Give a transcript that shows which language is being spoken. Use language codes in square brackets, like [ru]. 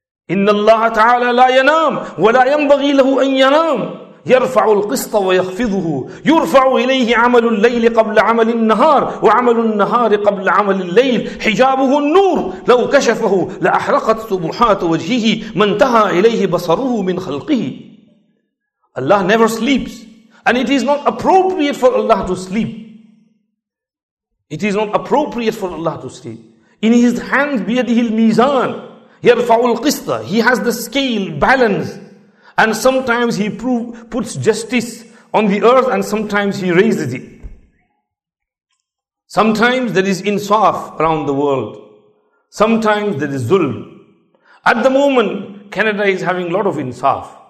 [ar] إِنَّ اللَّهَ تَعَالَى لَا يَنَامُ وَلَا يَنْبَغِي لَهُ أَنْ يَنَامُ يَرْفَعُ الْقِسْطَ وَيَخْفِضُهُ يُرْفَعُ إِلَيْهِ عَمَلُ اللَّيْلِ قَبْلَ عَمَلِ النَّهَارِ وَعَمَلُ النَّهَارِ قَبْلَ عَمَلِ اللَّيْلِ حِجَابُهُ النُّورُ لَوْ كَشَفَهُ لَأَحْرَقَتْ سُبُحَاتُ وَجْهِهِ مَنْ تَهَى إِلَيْهِ بَصَرُهُ مِنْ خَلْقِهِ. [en] Allah never sleeps, and it is not appropriate for Allah to sleep. It is not appropriate for Allah to sleep. In His hands, [ar] بِيَدِهِ الْمِيزَانِ يَرْفَعُ الْقِسْطَ. [en] He has the scale, balance. And sometimes He puts justice on the earth and sometimes He raises it. Sometimes there is insaf around the world. Sometimes there is zulm. At the moment, Canada is having a lot of insaf.